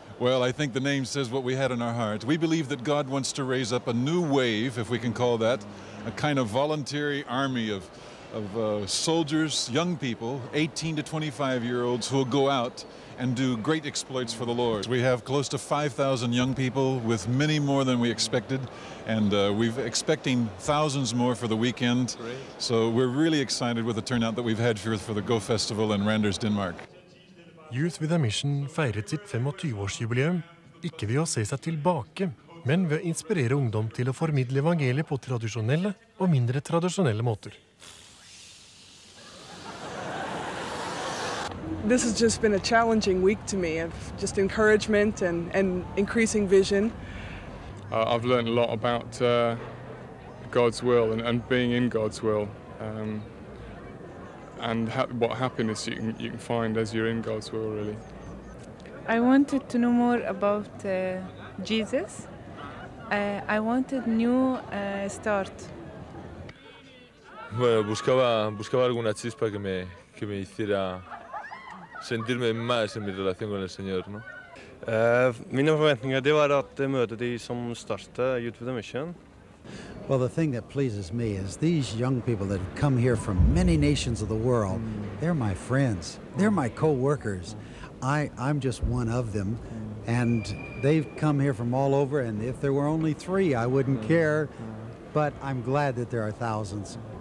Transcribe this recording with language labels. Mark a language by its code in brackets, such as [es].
[en] Well, I think the name says what we had in our heart. We believe that God wants to raise up a new wave, if we can call that, a kind of voluntary army of soldiers, young people, 18 to 25-year-olds, who will go out and do great exploits for the Lord. We have close to 5,000 young people, with many more than we expected, and we're expecting thousands more for the weekend. Great. So we're really excited with the turnout that we've had for the Go Festival in Randers, Denmark. [no] Youth with a Mission feiret sitt 25-årsjubileum, ikke ved å se seg tilbake, men ved å inspirere ungdom til å formidle evangeliet på tradisjonelle og mindre tradisjonelle måter. [en] This has just been a challenging week to me of just encouragement and increasing vision. I've learned a lot about God's will and being in God's will. What happiness you can find as you're in God's will, really. I wanted to know more about Jesus. I wanted new start. [es] Bueno, buscaba alguna chispa que me hiciera sentirme más en mi relación con el Señor, ¿no? [sv] Mina förväntningar det var att möta de som startade YWAM Mission. [en] Well, the thing that pleases me is these young people that have come here from many nations of the world, they're my friends, they're my co-workers. I'm just one of them, and they've come here from all over, and if there were only three, I wouldn't care, but I'm glad that there are thousands.